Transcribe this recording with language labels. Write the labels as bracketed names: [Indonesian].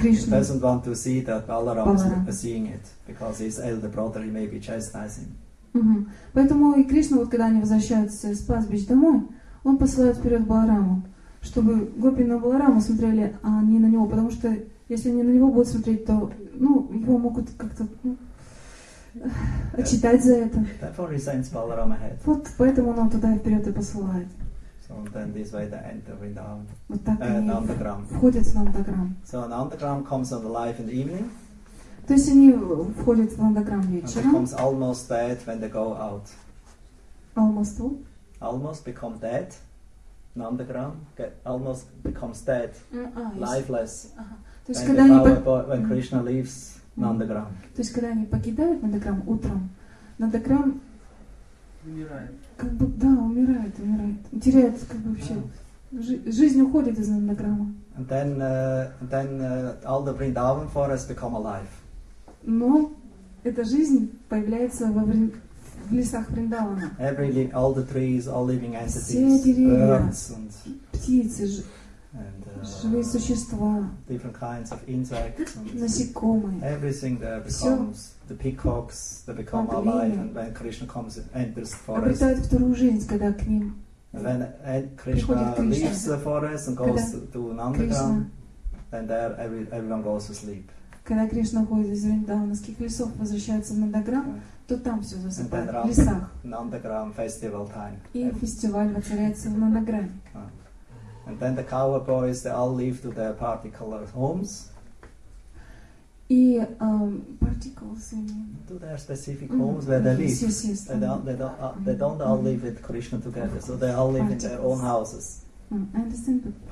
[English] doesn't want to see that Balaram is seeing it, because his elder brother he may be chastising. [Russian] Поэтому и Кришна, вот когда они возвращаются с пастбищ домой, он посылает вперед Балараму, чтобы гопи на Балараму смотрели, а не на него, потому что если они на него будут смотреть, то ну, его могут как-то отчитать за это. [English] Therefore he sends Balaram ahead. [Russian] Вот поэтому он туда вперед и посылает. [English] So then this way they enter Vrindavan. [Russian] Вот так они входят в Нандаграм. [English] So Nandaram comes alive in the evening. [Russian] То есть они входят в Нандаграм вечером. [English] And becomes almost dead when they go out. Almost what? Almost become dead. Nandaram almost becomes dead. Lifeless. [Russian] То есть когда [English] when Krishna leaves. [Russian] То есть, когда они покидают Нандаграм утром, Нандаграм как бы, да, умирает. Теряет как бы вообще. Жизнь уходит из Нандаграма. [English] And then all the Vrindavan forest become alive. [Russian] Но эта жизнь появляется в лесах Вриндавана. [English] All the trees, all living entities. [Russian] Все деревья, [English] birds and [Russian] птицы, живые существа, [English] different kinds of insects, [Russian] насекомые, [English] everything there becomes, the peacocks, they become alive, and when Krishna comes and enters the forest, [Russian] обретают вторую жизнь, когда к ним приходит Кришна, когда Кришна уходит из Вриндаванских лесов, возвращается в Нандаграм, то там все засыпает, в лесах, [English] Nandagram festival time, [Russian] и фестиваль воцаряется в Нандаграме. [English] And then the cowherd boys, they all leave to their party-colored homes. И particles, I mean. To their specific homes where they live. Yes. They don't all live with Krishna together, so they all live particles in their own houses. I understand. But